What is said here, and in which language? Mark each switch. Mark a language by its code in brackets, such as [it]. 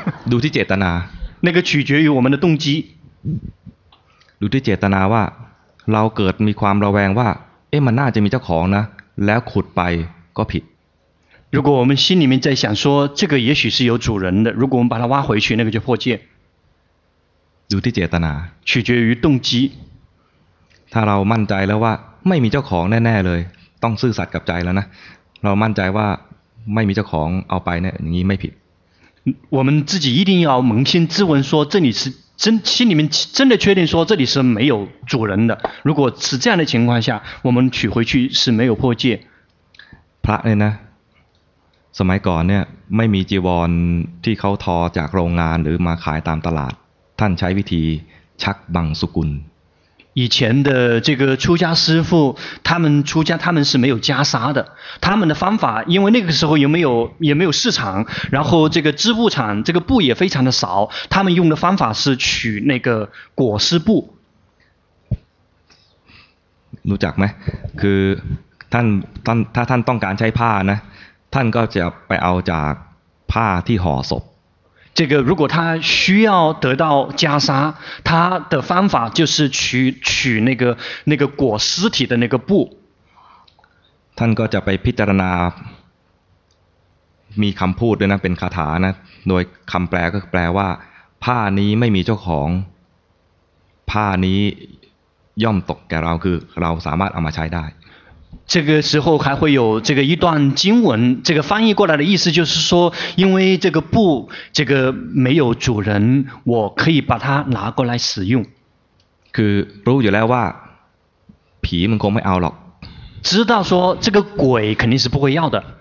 [th] ดูที่เจตนา [zh] 那个取决于我们的动机 [th] ดูที่เจตนาว่าเราเกิดมีความระแวงว่าเอ๊ะมันน่าจะมีเจ้าของนะแล้วขุดไปก็ผิด [zh] 如果我们心里面在想说这个也许是有主人的如果我们把它挖回去那个就破戒 [th] ดูที่เจตนา [zh] 取决于动机 [th] ถ้าเรามั่นใจแล้วว่าไม่มีเจ้าของแน่ๆเลยต้องซื่อสัตย์กับใจแล้วนะเรามั่นใจว่าไม่มีเจ้าของเอาไปเนี่ยอย่างนี้ไม่ผิด [zh] 我们自己一定要扪心自问说这里是真心里面真的确定说这里是没有主人的如果是这样的情况下我们取回去是没有破戒 [th] พระเนี่ยนะสมัยก่อนเนี่ยไม่มีจีวรที่เขาทอจากโรงงานหรือมาขายตามตลาดท่านใช้วิธีชักบังสุกุล [zh] 以前的这个出家师父他们出家他们是没有袈裟的他们的方法因为那个时候也没有市场然后这个织布厂这个布也非常的少他们用的方法是取那个裹尸布 [th] รู้จักไหมคือท่านต้องการใช้ผ้านะท่านก็จะไปเอาจากผ้าที่ห่อศพ [zh] 这个如果他需要得到袈裟他的方法就是取那个裹尸体的那个布 [th] ท่านก็จะไปพิจารณามีคำพูดด้วยนะเป็นคาถานะโดยคำแปลก็แปลว่าผ้านี้ไม่มีเจ้าของผ้านี้ย่อมตกแก่เราคือเราสามารถเอามาใช้ได้ [zh] 这个时候还会有这个一段经文这个翻译过来的意思就是说因为这个布这个没有主人我可以把它拿过来使用 [th] คือรู้อยู่แล้วว่าผีมันคงไม่เอาหรอก [zh] 知道说这个鬼肯定是不会要的